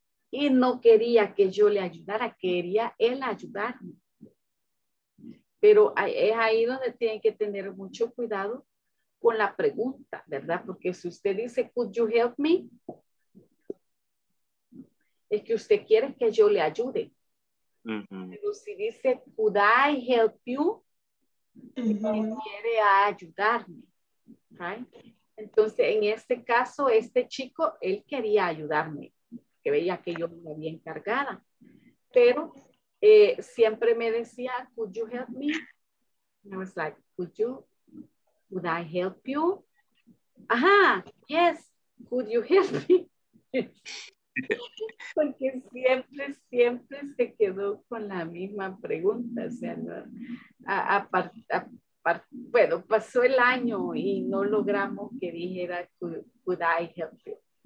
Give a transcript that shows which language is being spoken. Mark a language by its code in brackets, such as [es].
[es] Y no quería que yo le ayudara, quería él ayudarme. Pero es ahí donde tienen que tener mucho cuidado con la pregunta, ¿verdad? Porque si usted dice, [en] could you help me? [es] Es que usted quiere que yo le ayude. Pero si dice, [en] could I help you? [es] Quiere ayudarme. Right? Entonces, en este caso, este chico, él quería ayudarme. Que veía que yo me había encargada. Pero... siempre me decía, [en] could you help me? And I was like, would I help you? Ajá, yes, could you help me? [es] Porque siempre se quedó con la misma pregunta. O sea, ¿no? Bueno, pasó el año y no logramos que dijera, [en] could I help you?